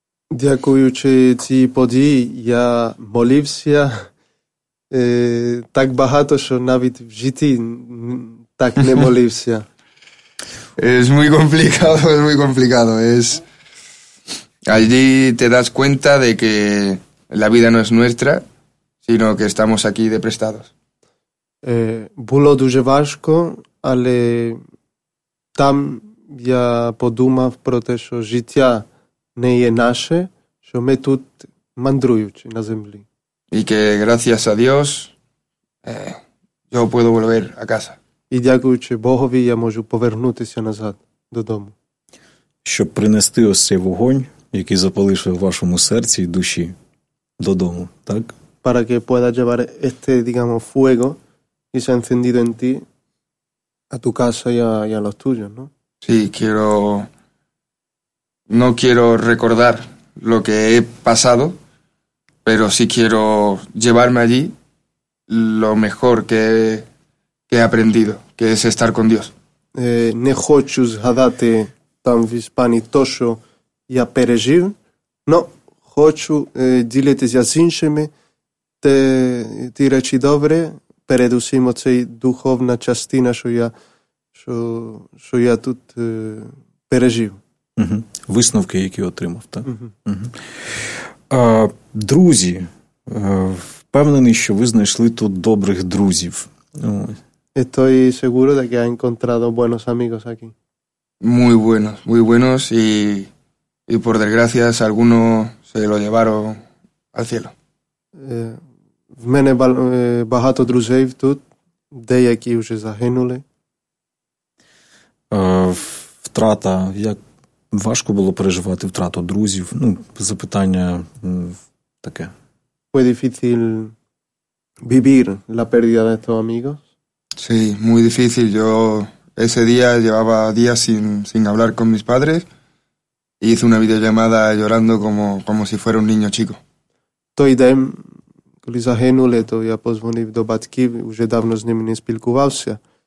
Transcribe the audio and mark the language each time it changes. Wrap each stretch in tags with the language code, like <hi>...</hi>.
<uk>Дякуючи цій події, я молився так багато, що навіть в житті так не молився.</uk> <es>Es muy complicado, es muy complicado. Es... Allí te das cuenta de que la vida no es nuestra, sino que estamos aquí de prestados.</es> <uk>Було дуже важко, але там я подумав про те, що життя не є наше, що ми тут мандруючи на землі.</uk> <es>Y que gracias a Dios yo puedo volver a casa.</es> <uk>І дякуючи Богові, я можу повернутися назад додому. Щоб принести ось цей вогонь, який запалився в вашому серці і душі, додому, так?</uk> <es>Para que pueda llevar este, digamos, fuego que se ha encendido en ti a tu casa y a los tuyos, ¿no? Sí, quiero... No quiero recordar lo que he pasado, pero sí quiero llevarme allí lo mejor que he... Que he aprendido, que es estar con Dios.</es> <uk>Не хочу згадати там в Іспанії то, що я пережив, но хочу ділитися з іншими ті речі добре, передусім оцей духовна частина, що я тут пережив. Угу. Висновки, які отримав, так? Друзі, впевнений, що ви знайшли тут добрих друзів.</uk> <es>Estoy seguro de que ha encontrado buenos amigos aquí. Muy buenos y por desgracia alguno se lo llevaron al cielo.</es> <uk>В мене багато друзей тут, деякі вже загинули. Втрата, як важко було переживати втрату друзів, ну, запитання таке.</uk> <es>Fue difícil vivir la pérdida de estos amigos. Sí, muy difícil. Yo ese día llevaba días sin hablar con mis padres y hice una videollamada llorando como si fuera un niño chico.</es> <uk>Той день, коли загинули, то я позвонив до батьків, вже давно з ними не спілкувався.</uk>